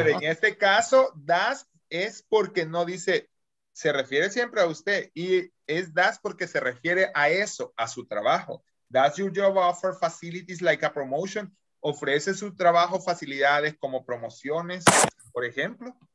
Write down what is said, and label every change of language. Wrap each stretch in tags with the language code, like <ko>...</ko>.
<es>En este caso, das es porque no dice, se refiere siempre a usted, y es das porque se refiere a eso, a su trabajo.</es> <en>Does your job offer facilities like a promotion?</en> <es>¿Ofrece su trabajo facilidades como promociones, por ejemplo?</es>